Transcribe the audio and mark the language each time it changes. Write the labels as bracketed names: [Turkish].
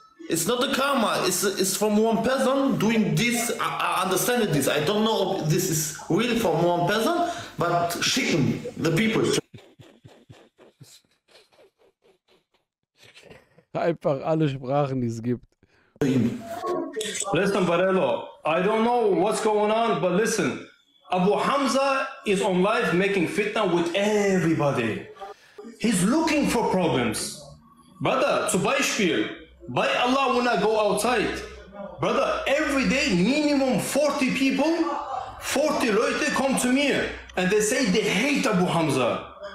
[English] It's not the karma, it's from one person doing this. I understand this. I don't know if this is really from one person, but schicken the people. [German] Einfach alle Sprachen, die es gibt. [English] Listen, Barello, I don't know what's going on, but listen, Abu Hamza is on live making fitna with everybody. He's looking for problems. Brother, [German] zum Beispiel, [English] by Allah, when I go outside, brother, every day, minimum 40 people, 40 Leute come to me and they say they hate Abu Hamza.